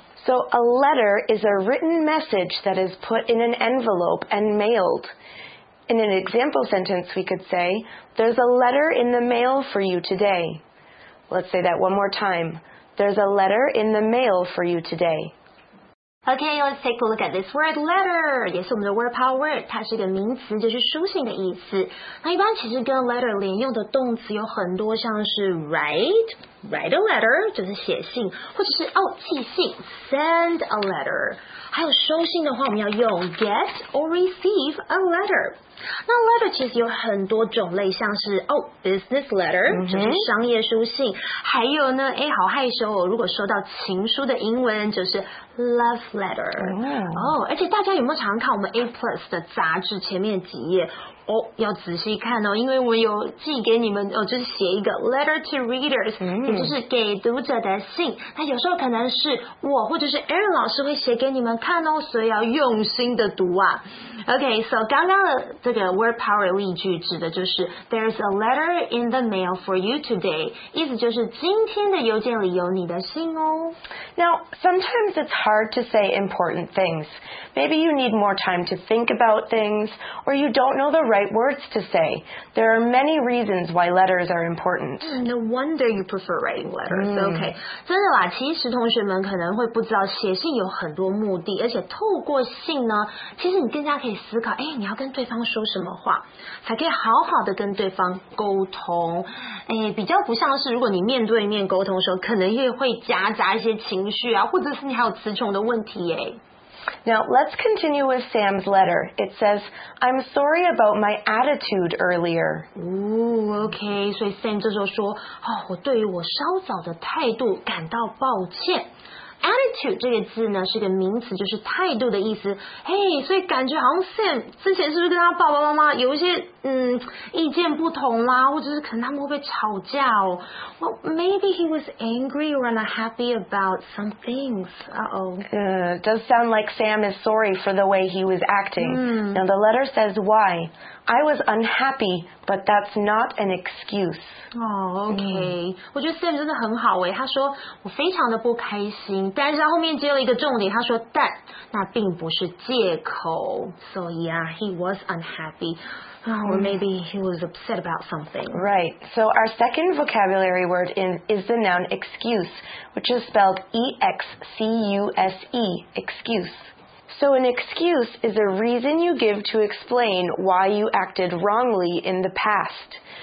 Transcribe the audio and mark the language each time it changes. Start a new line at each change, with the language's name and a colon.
English: So a letter is a written message that is put in an envelope and mailed. In an example sentence, we could say, There's a letter in the mail for you today. Let's say that one more time. There's a letter in the mail for you today. Okay, let's take a look at this word letter.
Chinese: 也是我们的 word power word. 它是一个名词，就是书信的意思。那一般其实跟 letter 连用的动词有很多，像是
English: write a letter,
Chinese: 就是写信，或者是寄信
English: send a letter.
Chinese: 还有收信的话，我们要用
English: get or receive a letter.
Chinese: 那 letter 其实有很多种类，像是business letter、就是商业书信，还有呢，好害羞哦，如果收到情书的英文就是 love letter、而且大家有没有常看我们 A Plus 的杂志前面几页？要仔细看哦，因为我有寄给你们就是写一个 letter to readers、也就是给读者的信。那有时候可能是我或者是 Erin 老师会写给你们看哦，所以要用心的读啊。
English: Okay, so
Chinese: 刚刚的这个
English: word power
Chinese: 例句指的就是
English: There's a letter in the mail for you today.
Chinese: 意思就是今天的邮件里有你的信哦。
English: Now, sometimes it's hard to say important things. Maybe you need more time to think about things, or you don't know the right words to say. There are many reasons why letters are important. No wonder you prefer writing letters. Okay.
Chinese: 真的啦，其实同学们可能会不知道写信有很多目的，而且透过信呢，其实你更加可以思考，你要跟对方说什么话，才可以好好的跟对方沟通。比较不像是如果你面对面沟通的时候，可能也会夹杂一些情绪啊，或者是你还有词穷的问题耶。
English: Now, let's continue with Sam's letter. It says, I'm sorry about my attitude earlier.
Chinese: Ooh, okay. So Sam 这时候说，我对于我稍早的态度感到抱歉。 Attitude 这个字呢是个名词，就是态度的意思。所以感觉好像 Sam 之前是不是跟他爸爸妈妈有一些意见不同啦，或者是可能他们会被吵架哦。
English: Well, maybe he was angry or unhappy about some things. It does sound like Sam is sorry for the way he was acting. Now the letter says why. I was unhappy, but that's not an excuse. Okay.
Chinese: 我觉得 Sam 真的很好耶，他说我非常的不开心。但是他后面接了一个重点，他说 但 那并不是借口。
English: So yeah, he was unhappy. Or maybe he was upset about something. Right, so our second vocabulary word is the noun excuse, which is spelled E-X-C-U-S-E, excuse. So an excuse is a reason you give to explain why you acted wrongly in the past.